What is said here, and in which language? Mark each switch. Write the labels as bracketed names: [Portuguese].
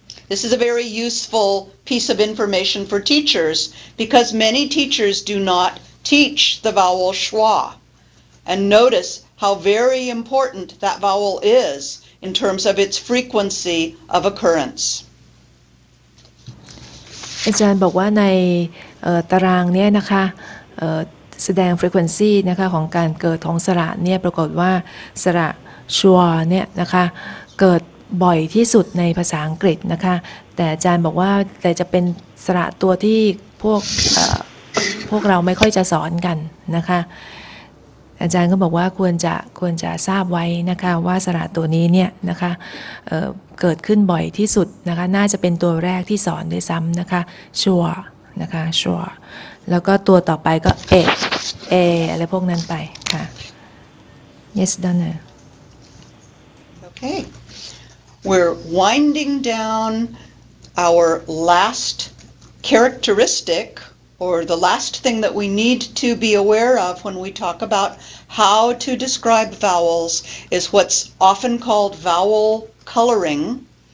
[English] This is a very useful piece of information for teachers because many teachers do not teach the vowel schwa. And notice how very important that vowel is in terms of its frequency of occurrence. [Thai] อาจารย์บอกว่าในตารางเนี่ยนะคะแสดง frequency นะคะของการเกิดของสระเนี่ยปรากฏว่าสระ schwa เนี่ยนะคะเกิดบ่อยที่สุดในภาษาอังกฤษนะคะแต่อาจารย์บอกว่าแต่จะเป็นสระตัวที่พวกเราไม่ค่อยจะสอนกันนะคะ อาจารย์ก็บอกว่าควรจะทราบไว้นะคะว่าสระตัวนี้เนี่ยนะคะ เกิดขึ้นบ่อยที่สุดนะคะน่าจะเป็นตัวแรกที่สอนด้วยซ้ำนะคะชัวร์นะคะชัวร์แล้วก็ตัวต่อไปก็เออะไรพวกนั้นไปค่ะ [English] yes done okayWe're winding down our last characteristic, or the last thing that we need to be aware of when we talk about how to describe vowels is what's often called vowel coloring.